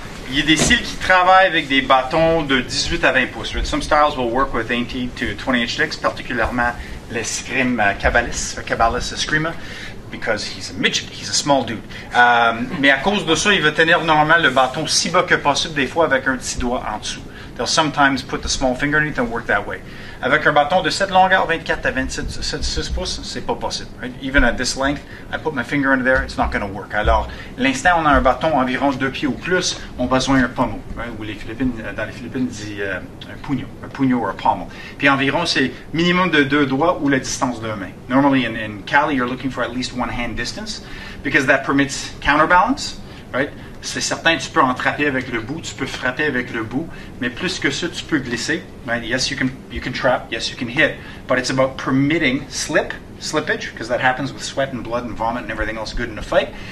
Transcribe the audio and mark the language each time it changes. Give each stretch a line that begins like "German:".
French: Il y a des styles qui travaillent avec des bâtons de 18 à 20 pouces.
English: Right? Some styles will work with 18 to 20-inch sticks, particulièrement l'escrime cabalis escrima, because he's a midget, he's a small dude.
French: Mais à cause de ça, il va tenir normalement le bâton si bas que possible, des fois avec un petit doigt en dessous.
English: They'll sometimes put the small finger underneath and work that way.
French: Avec un bâton de cette longueur, 24 à 26 pouces, c'est pas possible.
English: Right? Even at this length, I put my finger under there, it's not going to work.
French: Alors, l'instant on a un bâton environ 2 pieds ou plus, on a besoin d'un pommeau. Right? Ou les Philippines, dans les Philippines, on dit un pugno ou un pommel. Puis environ, c'est minimum de 2 doigts ou la distance d'un main.
English: Normally, in Cali, you're looking for at least one hand distance, because that permits counterbalance, right?
French: C'est certain, tu peux attraper avec le bout, tu peux frapper avec le bout, mais plus que ça, tu peux glisser.
English: Right? Yes, you can trap. Yes, you can hit. But it's about permitting slippage, because that happens with sweat and blood and vomit and everything else good in a fight.